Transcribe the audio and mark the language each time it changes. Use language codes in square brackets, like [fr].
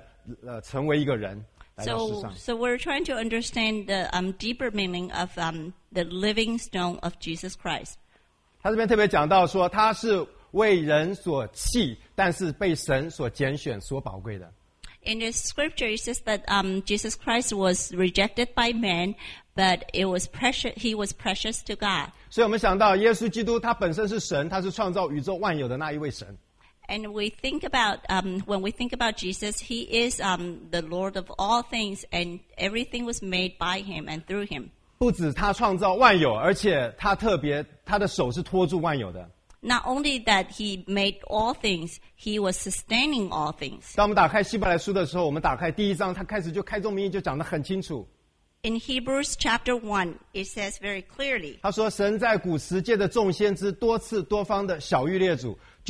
[zh] 所以我们今天我们就要从活石这两个字，我们更深入来的思想，到底耶稣基督他是什么样的一位神，成为一个人。 [en] So we're trying to understand the deeper meaning of the living stone of Jesus Christ. [zh] 他这边特别讲到说，他是为人所弃，但是被神所拣选、所宝贵的。 [en] In the scripture, it says that Jesus Christ was rejected by men, but it was precious. He was precious to God. [zh] 所以我们想到耶稣基督，他本身是神，他是创造宇宙万有的那一位神。 [en] And we think about when we think about Jesus, He is the Lord of all things, and everything was made by Him and through Him. [zh] 不止他创造万有，而且他特别，他的手是托住万有的。 [en] Not only that He made all things, He was sustaining all things. [zh] 当我们打开希伯来书的时候，我们打开第一章，他开始就开宗明义就讲得很清楚。 [en] In Hebrews chapter 1, it says very clearly. [zh] 他说：“神在古时借着众先知多次多方的晓谕列祖。”